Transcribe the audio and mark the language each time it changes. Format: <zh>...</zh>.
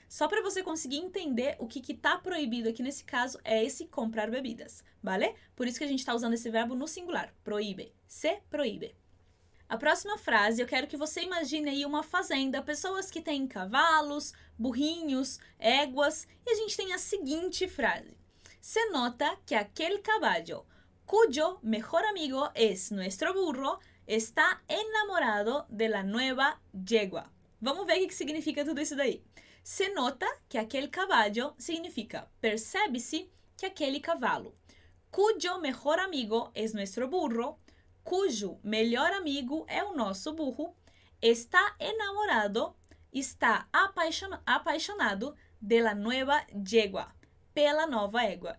<pt>Só para você conseguir entender o que está proibido aqui nesse caso é esse comprar bebidas, vale? Por isso que a gente está usando esse verbo no singular, proíbe, se proíbe. A próxima frase, eu quero que você imagine aí uma fazenda, pessoas que têm cavalos, burrinhos, éguas, e a gente tem a seguinte frase.</pt> <es>Se nota que aquel caballo, cuyo mejor amigo es nuestro burro, está enamorado de la nueva yegua.</es> <pt>Vamos ver o que significa tudo isso daí.</pt> <es>Se nota que aquel caballo</es> <pt>significa percebe-se que aquele cavalo,</pt> <es>cuyo mejor amigo es nuestro burro,</es> <pt>cujo melhor amigo é o nosso burro,</pt> <es>está enamorado,</es> <pt>está apaixonado pela nova égua, pela nova égua.</pt>